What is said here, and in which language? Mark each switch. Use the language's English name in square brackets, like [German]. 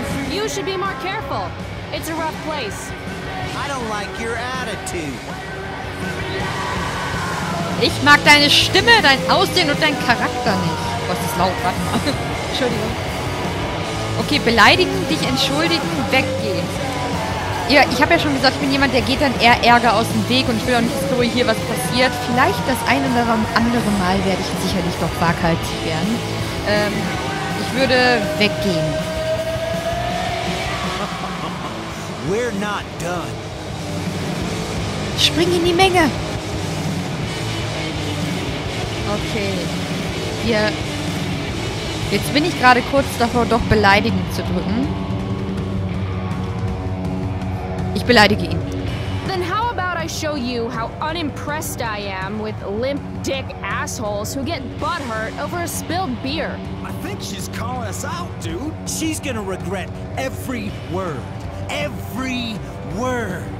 [English] You should be more careful. It's a rough place. I don't like your attitude. [German] Ich mag deine Stimme, dein Aussehen und deinen Charakter nicht. Was ist laut? Warte mal. Entschuldigung. Okay, beleidigen, dich entschuldigen, weggehen. Ja, ich habe ja schon gesagt, ich bin jemand, der geht dann eher Ärger aus dem Weg und ich will auch nicht, dass hier was passiert. Vielleicht das ein oder andere Mal werde ich sicherlich doch waghalsig werden. Ich würde weggehen. [English] We're not done. [German] Spring in die Menge. Okay. Hier. Jetzt bin ich gerade kurz davor, doch beleidigen zu drücken. Ich beleidige ihn. [English] Then how about I show you how unimpressed I am with limp dick assholes who get butthurt over a spilled beer? I think she's calling us out, dude. She's gonna regret every word. Every word.